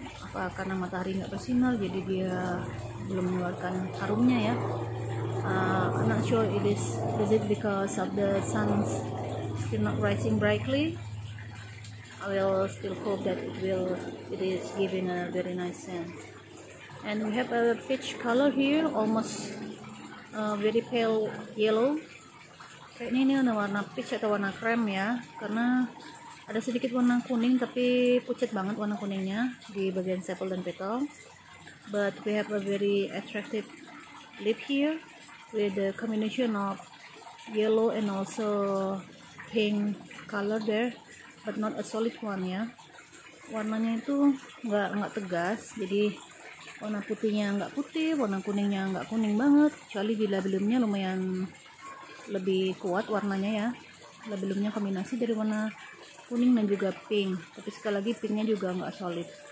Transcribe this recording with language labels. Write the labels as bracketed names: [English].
[Indonesian] Apa karena matahari nggak bersinar jadi dia belum mengeluarkan harumnya ya. [English] I'm not sure is it because of the sun's still not rising brightly. I will still hope that it is giving a very nice scent. And we have a peach color here, almost very pale yellow. [Indonesian] Kayaknya ini warna peach atau warna krem ya, karena ada sedikit warna kuning tapi pucat banget warna kuningnya di bagian sepal dan petal. [English] But we have a very attractive leaf here with the combination of yellow and also pink color there, but not a solid one ya. [Indonesian] Warnanya itu nggak tegas, jadi warna putihnya nggak putih, warna kuningnya nggak kuning banget, kecuali di labelumnya lumayan lebih kuat warnanya ya. Labelumnya kombinasi dari warna kuning dan juga pink, tapi sekali lagi pinknya juga nggak solid.